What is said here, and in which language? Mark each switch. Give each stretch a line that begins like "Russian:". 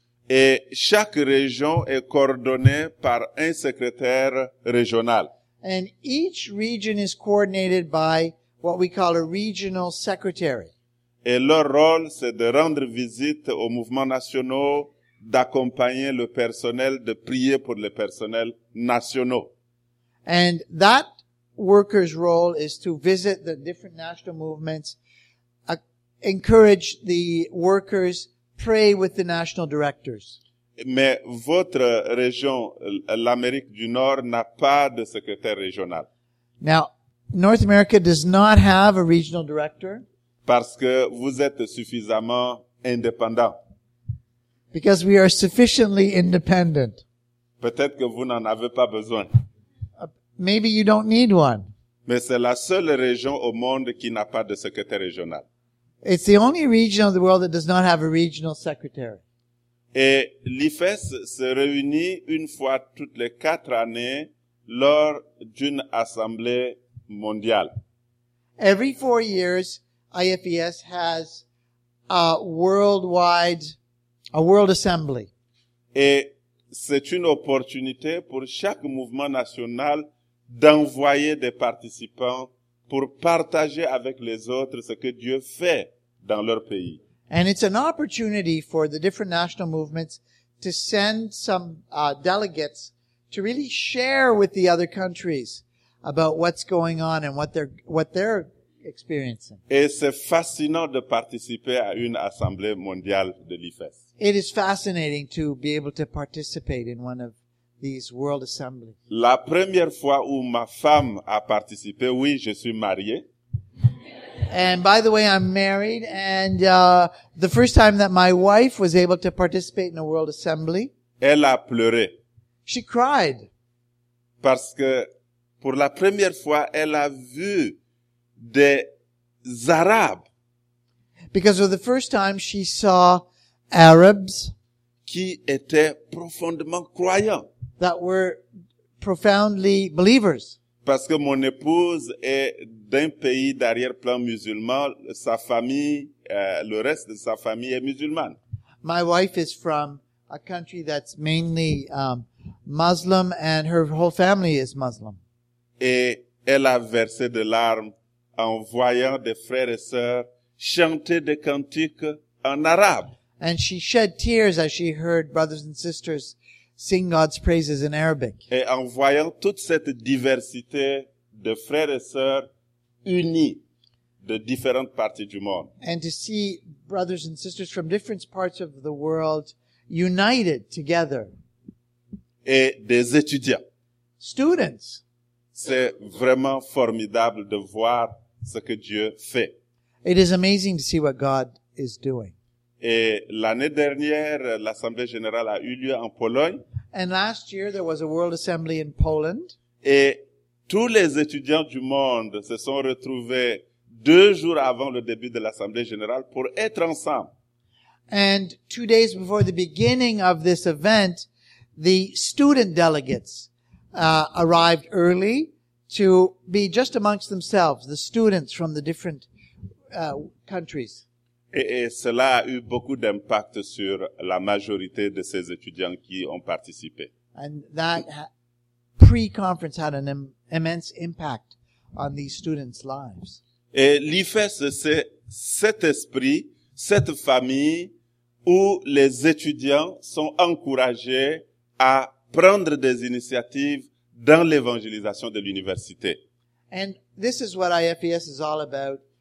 French: Et chaque région est coordonnée par un secrétaire régional.
English: And each region is coordinated by what we call a regional secretary.
French: Et leur rôle, c'est de rendre visite aux mouvements nationaux, d'accompagner le personnel, de prier pour les personnels nationaux.
English: And that worker's role is to visit the different national movements, encourage the workers, pray with the national directors.
French: Mais votre région, l'Amérique du Nord, n'a pas de secrétaire régional.
English: Now, North America does not have a regional director.
French: Parce que vous êtes suffisamment indépendant.
English: Because we are sufficiently independent.
French: Peut-être que vous n'en avez pas besoin.
English: Maybe you don't need one.
French: Mais c'est la seule région au monde qui n'a pas de secrétaire régional.
English: It's the only region of the world that does not have a regional secretary.
French: Et l'IFES se réunit une fois toutes les quatre années lors d'une assemblée mondiale.
English: Every 4 years, IFES has a worldwide, a world assembly.
French: Et c'est une opportunité pour chaque mouvement national d'envoyer des participants pour partager avec les autres ce que Dieu fait dans leur pays.
English: And it's an opportunity for the different national movements to send some delegates to really share with the other countries about what's going on and what they're experiencing.
French: Et c'est fascinant de participer à une assemblée mondiale de l'IFES.
English: It is fascinating to be able to participate in one of these world assemblies.
French: La première fois où ma femme a participé, oui, je suis marié.
English: And by the way, I'm married, and the first time that my wife was able to participate in a world assembly,
French: elle a pleuré.
English: She cried.
French: Parce que pour la première fois, elle a vu des Arabes.
English: Because for the first time, she saw Arabs
French: qui étaient profondément croyants.
English: That were profoundly believers.
French: Parce que mon épouse est d'un pays d'arrière-plan musulman, sa famille, le reste de sa famille est musulmane.
English: My wife is from a country that's mainly Muslim, and her whole family is Muslim.
French: Et elle a versé de larmes en voyant des frères et sœurs chanter des cantiques en arabe.
English: And she shed tears as she heard brothers and sisters sing God's praises in Arabic.
French: Et en voyant toute cette diversité de frères et sœurs unis de différentes parties du monde.
English: And to see brothers and sisters from different parts of the world united together.
French: Et des étudiants.
English: Students.
French: C'est vraiment formidable de voir ce que Dieu fait.
English: It is amazing to see what God is doing.
French: Et l'année dernière, l'Assemblée générale a eu lieu en Pologne.
English: And last year, there was a World Assembly in Poland.
French: Et tous les étudiants du monde se sont retrouvés 2 jours avant le début de l'Assemblée générale pour être ensemble.
English: And 2 days before the beginning of this event, the student delegates arrived early to be just amongst themselves, the students from the different countries.
French: Et cela a eu beaucoup d'impact sur la majorité de ces étudiants qui ont participé.
English: And that pre-conference had an immense impact on these students' lives.
French: Et l'IFES, c'est cet esprit, cette famille où les étudiants sont encouragés à prendre des initiatives dans l'évangélisation de l'université.
English: And this is what IFES is all about.